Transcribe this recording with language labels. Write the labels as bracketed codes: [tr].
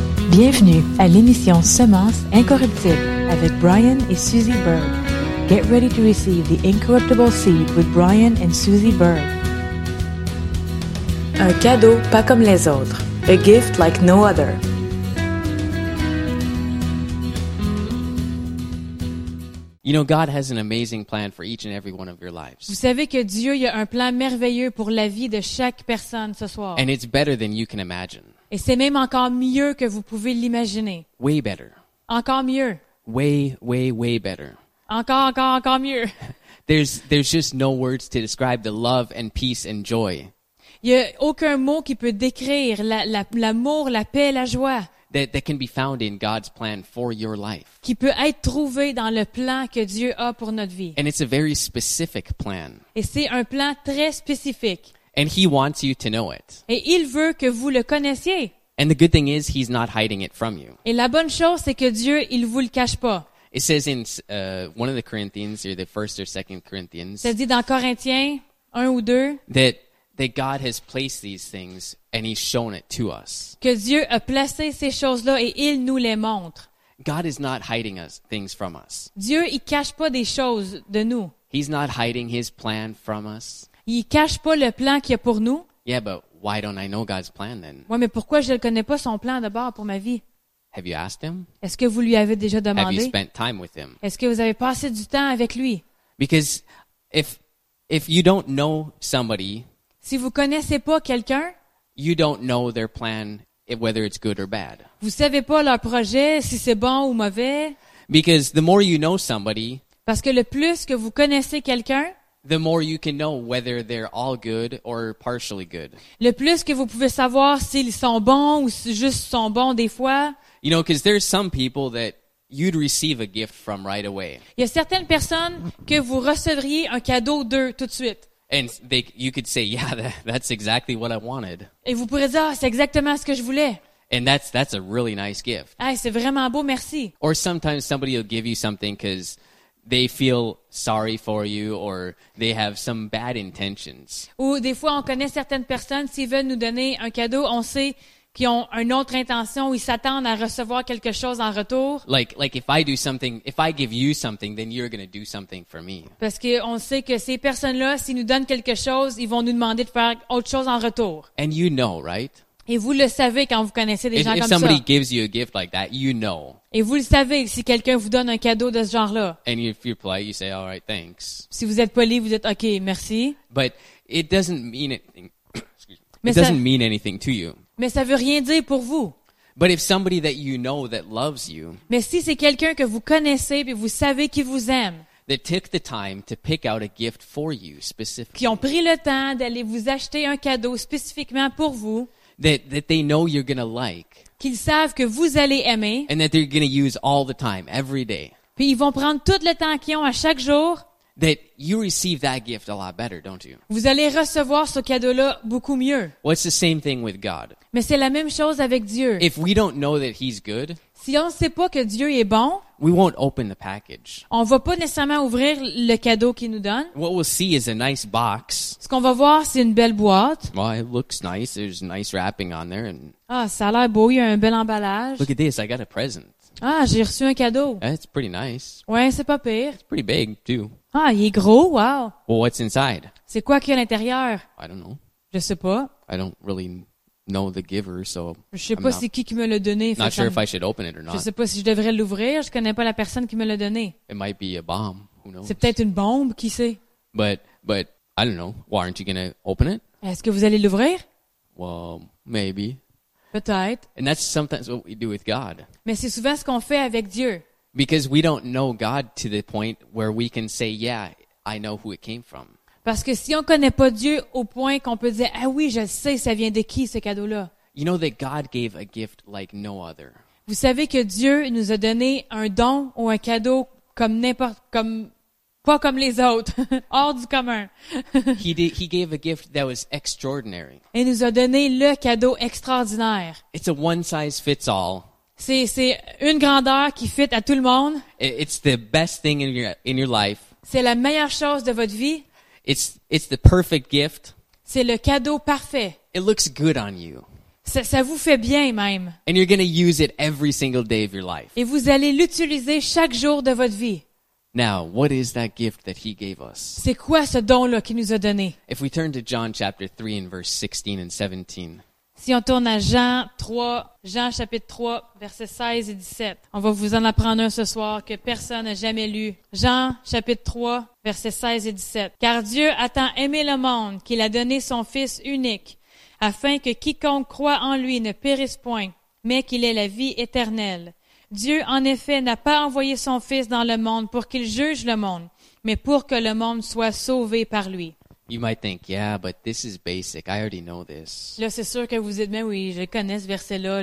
[fr] Bienvenue à l'émission Semence incorruptible avec Brian et Suzy Berg. [en] Get ready to receive the incorruptible seed with Brian and Suzy Berg. [fr] Un cadeau pas comme les autres. [en] A gift like no other. You know, God has an amazing plan for each and every one of your lives. [fr] Vous savez que Dieu y a un plan merveilleux pour la vie de chaque personne ce soir. [en] And it's better than you can imagine. [fr] Et c'est même encore mieux que vous pouvez l'imaginer. [en] Way better. [fr] Encore mieux. [en] Way, way, way better. [fr] Encore mieux. [en] There's just no words to describe the love and peace and joy. [fr] Il y a aucun mot qui peut décrire l'amour, la paix, la joie. [en] That can be found in God's plan for your life. [fr] Qui peut être trouvé dans le plan que Dieu a pour notre vie. [en] And it's a very specific plan. [fr] Et c'est un plan très spécifique. [en] And he wants you to know it. [fr] Et il veut que vous le connaissiez. [en] And the good thing is he's not hiding it from you. [fr] Et la bonne chose c'est que Dieu il vous le cache pas. [en] It says in one of the Corinthians, or the first or second Corinthians. [fr] Ça dit dans Corinthiens 1 ou 2. [en] That God has placed these things and he's shown it to us. [fr] Que Dieu a placé ces choses-là et il nous les montre. [en] God is not hiding us things from us. [fr] Dieu il cache pas des choses de nous. [en] He's not hiding his plan from us. [fr] Il cache pas le plan qu'il y a pour nous. [en] Yeah, but why don't I know God's plan then? [fr] Ouais, mais pourquoi je ne connais pas son plan d'abord pour ma vie? [en] Have you asked him? [fr] Est-ce que vous lui avez déjà demandé? [en] Have you spent time with him? [fr] Est-ce que vous avez passé du temps avec lui? [en] Because if you don't know somebody, [fr] si vous connaissez pas quelqu'un, [en] you don't know their plan, whether it's good or bad. [fr] Vous savez pas leur projet, si c'est bon ou mauvais. [en] Because the more you know somebody, [fr] parce que le plus que vous connaissez quelqu'un, [en] the more you can know whether they're all good or partially good. [fr] Le plus que vous pouvez savoir s'ils sont bons ou juste sont bons des fois. [en] You know, because there's some people that you'd receive a gift from right away. [fr] Il y a certaines personnes que vous recevriez un cadeau d'eux tout de suite. [en] And you could say, yeah, that's exactly what I wanted. [fr] Et vous pourrez dire, c'est exactement ce que je voulais. [en] And that's a really nice gift. [fr] Ah, c'est vraiment beau, merci. [en] Or sometimes somebody will give you something because they feel sorry for you or they have some bad intentions. [fr] Ou des fois, on connaît certaines personnes, s'ils veulent nous donner un cadeau, on sait qu'ils ont une autre intention ou ils s'attendent à recevoir quelque chose en retour. [en] Like if I do something, if I give you something, then you're going to do something for me. [fr] Parce qu'on sait que ces personnes-là, s'ils nous donnent quelque chose, ils vont nous demander de faire autre chose en retour. [en] And you know, right? [fr] Et vous le savez quand vous connaissez des gens comme ça. [en] If somebody gives you a gift like that, you know. [fr] Et vous le savez si quelqu'un vous donne un cadeau de ce genre-là. [en] And if you're polite, you say, all right, thanks. [fr] Si vous êtes poli, vous dites, OK, merci. [en] But it doesn't mean anything. It doesn't mean anything to you. [fr] Mais ça veut rien dire pour vous. [en] But if somebody that you know that loves you. [fr] Mais si c'est quelqu'un que vous connaissez et vous savez qu'il vous aime. [en] That took the time to pick out a gift for you specifically. [fr] Qui ont pris le temps d'aller vous acheter un cadeau spécifiquement pour vous. [en] That they know you're gonna like. [fr] Qu'ils savent que vous allez aimer. [en] And that they're gonna use all the time, every day. [fr] Puis ils vont prendre tout le temps qu'ils ont à chaque jour. [en] That you receive that gift a lot better, don't you? [fr] Vous allez recevoir ce cadeau-là beaucoup mieux. [en] Well, it's the same thing with God. [fr] Mais c'est la même chose avec Dieu. [en] If we don't know that he's good, [fr] si on ne sait pas que Dieu est bon, [en] we won't open the package. [fr] On ne va pas nécessairement ouvrir le cadeau qu'il nous donne. [en] What we'll see is a nice box. [fr] Ce qu'on va voir, c'est une belle boîte. [en] Well, it looks nice. There's nice wrapping on there. And [fr] ah, ça a l'air beau. Il y a un bel emballage. [en] Look at this. I got a present. [fr] Ah, j'ai reçu un cadeau. [en] That's pretty nice. [fr] Ouais, c'est pas pire. [en] It's pretty big, too. [fr] Ah, il est gros, wow. [en] Well, what's inside? [fr] C'est quoi qu'il y a à l'intérieur? [en] I don't know. [fr] Je sais pas. [en] I don't really know the giver, so [fr] je sais pas c'est qui me l'a donné. [en] Not sure if I should open it or not. [fr] Je sais pas si je devrais l'ouvrir, je connais pas la personne qui me l'a donné. [en] It might be a bomb, who knows? [fr] C'est peut-être une bombe, qui sait? [en] But, I don't know, why aren't you gonna open it? [fr] Est-ce que vous allez l'ouvrir? [en] Well, maybe. [fr] Peut-être. [en] And that's sometimes what we do with God. [fr] Mais c'est souvent ce qu'on fait avec Dieu. [en] Because we don't know God to the point where we can say, yeah, I know who it came from. [fr] Parce que si on connaît pas Dieu au point qu'on peut dire, ah oui, je sais, ça vient de qui ce cadeau-là. [en] You know that God gave a gift like no other. [fr] Vous savez que Dieu nous a donné un don ou un cadeau comme n'importe, comme pas comme les autres, hors du commun. [en] He gave a gift that was extraordinary. [fr] Et nous a donné le cadeau extraordinaire. [en] It's a one size fits all. [fr] C'est une grandeur qui fit à tout le monde. [en] It's the best thing in your life. [fr] C'est la meilleure chose de votre vie. [en] It's the perfect gift. [fr] C'est le cadeau parfait. [en] It looks good on you. [fr] Ça vous fait bien même. [en] And you're going to use it every single day of your life. [fr] Et vous allez l'utiliser chaque jour de votre vie. [en] Now, what is that gift that he gave us? [fr] C'est quoi ce don-là qu'il nous a donné? [en] If we turn to John chapter 3 and verse 16 and 17. [fr] Si on tourne à Jean chapitre 3, versets 16 et 17. On va vous en apprendre un ce soir que personne n'a jamais lu. Jean chapitre 3, versets 16 et 17. Car Dieu a tant aimé le monde qu'il a donné son Fils unique, afin que quiconque croit en lui ne périsse point, mais qu'il ait la vie éternelle. Dieu, en effet, n'a pas envoyé son Fils dans le monde pour qu'il juge le monde, mais pour que le monde soit sauvé par lui. [en] You might think, yeah, but this is basic. I already know this. [fr] Là, c'est sûr que vous dites, mais oui, je connais ce verset-là.